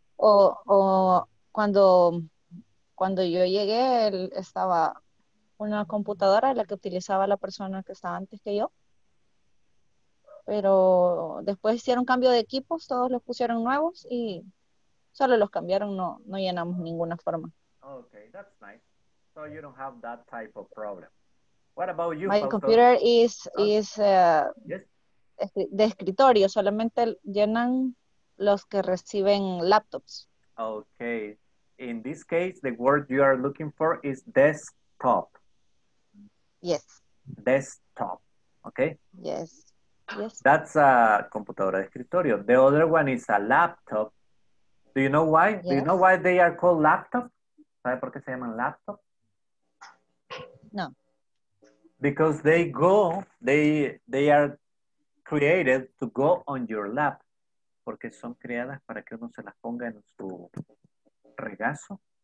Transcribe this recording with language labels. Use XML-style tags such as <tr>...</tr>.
<es>O cuando yo llegué, él estaba una computadora la que utilizaba la persona que estaba antes que yo. Pero después hicieron cambio de equipos, todos los pusieron nuevos y solo los cambiaron, no llenamos ninguna forma.</es> <en>Okay, that's nice. So you don't have that type of problem. What about you? My computer is yes?</en> <es>De escritorio, solamente llenan los que reciben laptops.</es> <en>Okay. In this case, the word you are looking for is desktop. Yes. Desktop. Okay? Yes. Yes. That's a</en> <es>computadora de escritorio.</es> <en>The other one is a laptop. Do you know why? Yes. Do you know why they are called laptop?</en> <es>¿Sabe por qué se llaman laptop?</es> <en>No. Because they are created to go on your lap.</en> <es>Porque son creadas para que uno se las ponga en su regazo.</es>